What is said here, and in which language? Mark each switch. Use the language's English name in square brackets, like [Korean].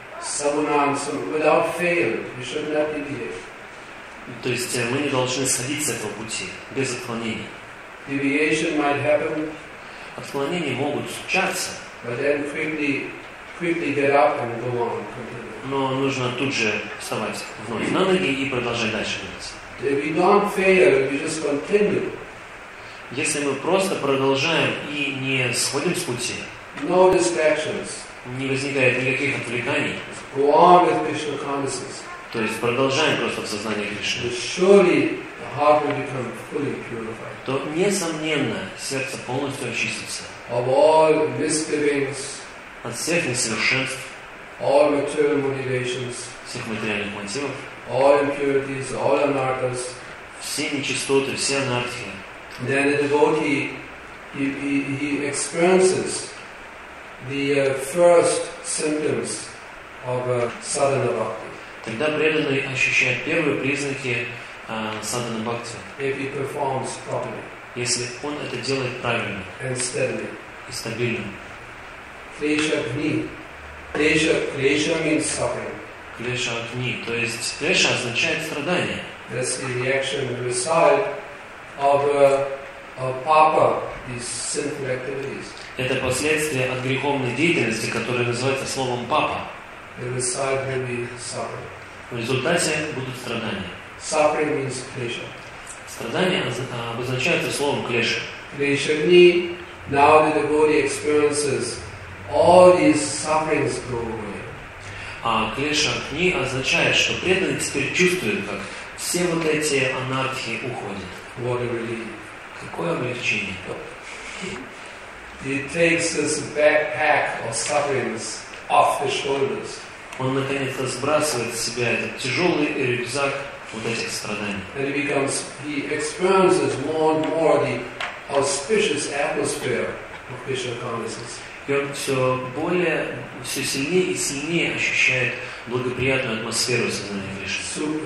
[English] Samunam, without fail, we should not deviate. [Russian] То есть мы не должны садиться с этого пути без отклонений. [English] Deviation might happen. [Russian] Отклонения могут случаться. [English] But then quickly get up and go on. [Russian] Но нужно тут же вставать вновь на ноги и продолжать дальше двигаться. [English] If we don't fail, we just continue. [Russian] Если мы просто продолжаем и не сходим с пути. [English] No distractions. [Russian] Не возникает никаких отвлеканий. [English] Go on with Krishna consciousness. [Russian] То есть продолжаем просто в сознании Кришны. [English] Surely the heart will become fully purified. [Russian] То несомненно сердце полностью очистится. [English] Of all misgivings. [Russian] От всех несовершенств. [English] All material motivations. [Russian] Всех материальных мотивов. [English] All impurities, all anarthas. [Russian] Все нечистоты, все анархи. [English] Then the devotee he experiences the first symptoms of sadhana bhakti. [Russian] Тогда преданный ощущает первые признаки sadhana bhakti. [English] If he performs properly. [Russian] Если он это делает правильно. [English] And steadily. [Russian] И стабильно. [Sanskrit] Клеша гни. Клеша [English] means suffering. [Sanskrit] Клеша гни. [Russian] То есть клеша означает страдание. [English] That's the reaction and result of papa, these sinful activities. [Russian] Это последствия от греховной деятельности, которая называется словом «папа». В результате будут страдания. [English] Suffering means pleasure. [Russian] Страдания обозначаются словом «клеша». [Sanskrit] Клешагни. [English] Now the devotee experiences all these sufferings go away. [Russian] А клешагни означает, что преданный теперь чувствует, как все вот эти анархии уходят. [English] What a relief. [Russian] Какое облегчение. [English] He takes his backpack of sufferings off the shoulders. [Russian] Он наконец-то сбрасывает с себя этот тяжелый рюкзак вот этих страданий. [English] And he experiences more and more the auspicious atmosphere of Krishna consciousness. [Russian] И он все сильнее и сильнее ощущает благоприятную атмосферу сознания Кришны.